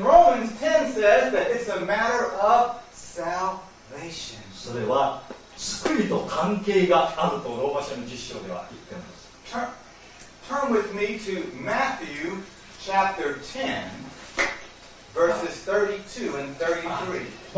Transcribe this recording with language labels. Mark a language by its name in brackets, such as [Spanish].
[English] Romans 10 says that it's a matter of salvation. [Japanese] それは救いと関係があるとローマ書の実証では言っています。 [English] Turn with me to Matthew chapter 10 verses 32 and 33.